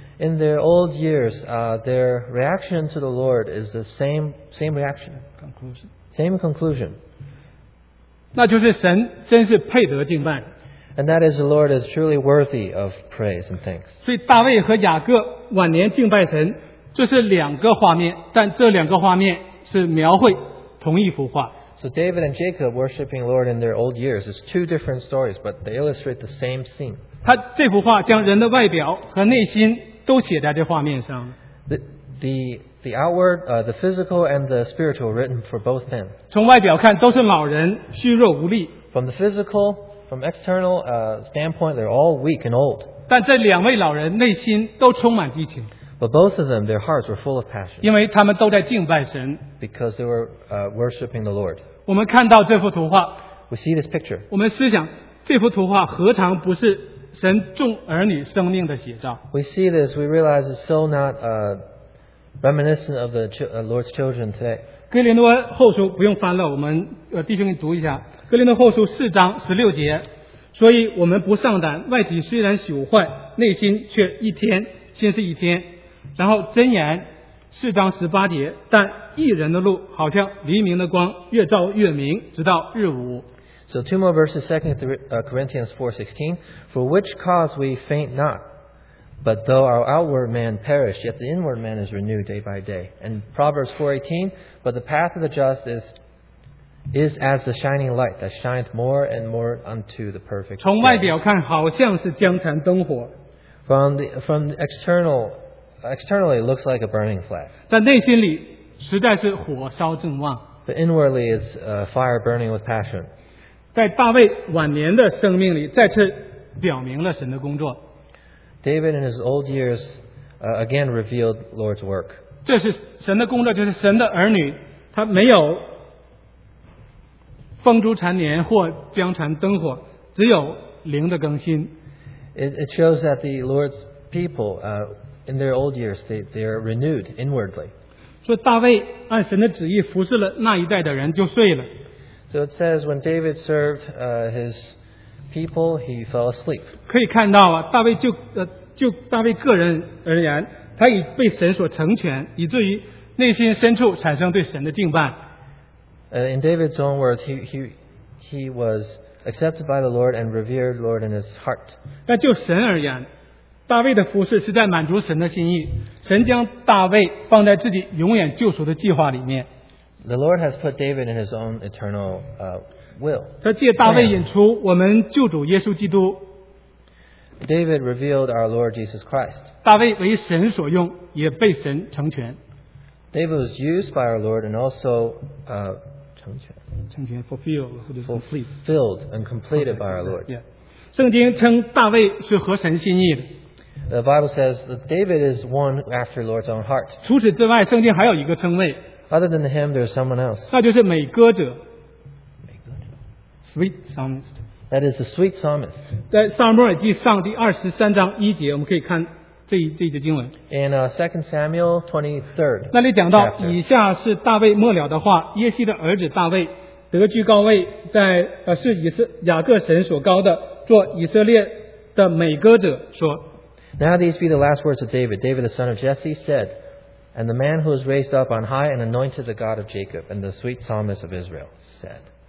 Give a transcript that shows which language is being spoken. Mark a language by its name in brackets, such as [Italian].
[English] In their old years, their reaction to the Lord is the same reaction. Conclusion. Same conclusion. [Chinese] 那就是神真是配得敬拜。 [English] And that is the Lord is truly worthy of praise and thanks. [Chinese] 所以大卫和雅各晚年敬拜神，这是两个画面，但这两个画面是描绘同一幅画。 [English] So David and Jacob worshiping Lord in their old years is two different stories, but they illustrate the same scene. [Chinese] 他这幅画将人的外表和内心都写在这画面上。 [English] The outward, the physical and the spiritual written for both them. [Chinese] 从外表看都是老人，虚弱无力。 [English] From the physical, from external standpoint, they're all weak and old. [Chinese] 但这两位老人内心都充满激情。 [English] But both of them, their hearts were full of passion. [Chinese] 因为他们都在敬拜神。 [English] Because they were worshiping the Lord. [Chinese] 我们看到这幅图画。 [English] We see this picture. [Chinese] 我们思想这幅图画何尝不是神众儿女生命的写照。 [English] We see this, we realize it's so not reminiscent of the Lord's children today. [Chinese] 哥林多后书不用翻了，我们弟兄们读一下。哥林多后书四章十六节，所以我们不上胆，外体虽然朽坏，内心却一天心是一天。然后箴言四章十八节，但义人的路好像黎明的光，越照越明，直到日午。 [English] So two more verses, 2 Corinthians 4:16. For which cause we faint not, but though our outward man perish, yet the inward man is renewed day by day. And Proverbs 4:18. But the path of the just is as the shining light that shines more and more unto the perfect. [Chinese] 从外表看好像是江残灯火。 [English] From externally it looks like a burning flag. [Chinese] 在内心里实在是火烧正旺。 [English] But inwardly it's a fire burning with passion. [Chinese] 在大卫晚年的生命里再次表明了神的工作。 [English] David in his old years again revealed Lord's work. [Chinese] 这是神的工作，就是神的儿女，他没有风烛残年或江残灯火，只有灵的更新。 [English] It shows that the Lord's people in their old years they are renewed inwardly. [Chinese] 所以大卫按神的旨意服侍了那一代的人就睡了。 [English] So it says when David served his people, he fell asleep. [Chinese] 可以看到啊，大卫就大卫个人而言，他已被神所成全，以至于内心深处产生对神的敬拜。 [English] In David's own words, he was accepted by the Lord and revered the Lord in his heart. [Chinese] 但就神而言，大卫的服事是在满足神的心意，神将大卫放在自己永远救赎的计划里面。 [English] The Lord has put David in his own eternal will. [Chinese] 他借大卫引出我们救主耶稣基督。 [English] David revealed our Lord Jesus Christ. [Chinese] 大卫为神所用，也被神成全。 [English] David was used by our Lord and also [Chinese] 成全。成全 [English] fulfilled and completed by our Lord. Yeah. [Chinese] 圣经称大卫是合神心意的。 [English] The Bible says that David is one after Lord's own heart. [Chinese] 除此之外，圣经还有一个称谓。 [English] Other than him, there's someone else. [Chinese] 那就是美歌者。 [English] Sweet psalmist. That is the sweet psalmist. [Chinese] 在撒母耳记上第二十三章一节，我们可以看这一节经文。 [English] In Second Samuel 23rd. [Chinese] 那里讲到，以下是大卫末了的话：耶西的儿子大卫得居高位，在是雅各神所高的，做以色列的美歌者说。 [English] Now these be the last words of David. David the son of Jesse said. And the man who was raised up on high and anointed the God of Jacob and the sweet psalmist of Israel said.